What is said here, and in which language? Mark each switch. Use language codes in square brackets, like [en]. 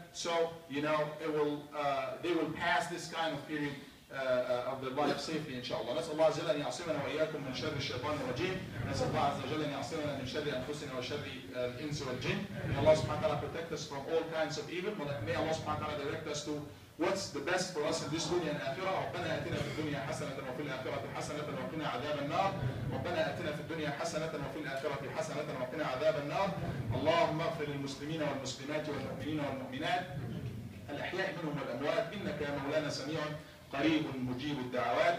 [en] So, you know, it will, they will pass this kind of period of their life safely, inshallah. [ar] نسأل الله عز وجل أن يعصمنا وإياكم من شر الشيطان الرجيم. نسأل الله عز وجل أن يعصمنا من شر أنفسنا وشر الإنس والجن. [en] May Allah subhanahu wa ta'ala protect us from all kinds of evil. May Allah subhanahu wa ta'ala direct us to what's the best for us in this dunya and akhirah. [ar] ربنا آتنا في الدنيا حسنة وفي الآخرة حسنة وقنا عذاب النار. ربنا آتنا في الدنيا حسنة وفي الآخرة حسنة وقنا عذاب النار. اللهم اغفر للمسلمين والمسلمات والمؤمنين والمؤمنات الأحياء منهم والأموات إنك يا مولانا سميع قريب مجيب الدعوات.